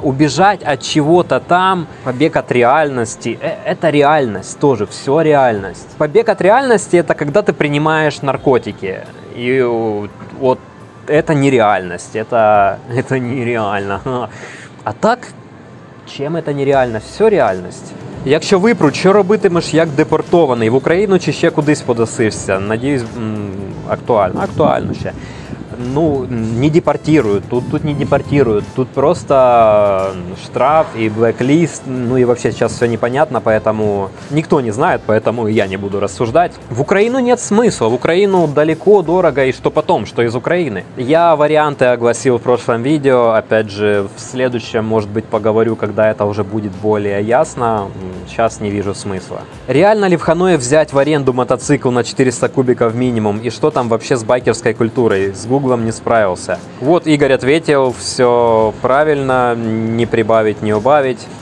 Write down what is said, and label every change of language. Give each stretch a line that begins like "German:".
Russian: Убежать от чего-то там, побег от реальности, это реальность тоже, все реальность. Побег от реальности — это когда ты принимаешь наркотики. И вот это нереальность, это нереально. А так, чем это нереально? Все реальность.
Ukrainian: Якщо випру, що робитимеш як депортований? В Україну чи ще кудись подосишся? Надіюсь, актуально. Актуально ще. Ну, не депортують. Тут не депортують. Тут просто штраф і блеклист. Ну і взагалі зараз все непонятно, поэтому ніхто не знає, поэтому я не буду розсуждати. В Україну нет смысла. В Україну далеко, дорого. І що потім? Що із України? Я варіанти огласив в прошлом відео.
Russian: Опять же, в следующем, может быть, поговорю, когда это уже будет более ясно. Сейчас не вижу смысла. Реально ли в Ханое взять в аренду мотоцикл на 400 кубиков минимум? И что там вообще с байкерской культурой? С Гуглом не справился. Вот Игорь ответил, все правильно, не прибавить, не убавить.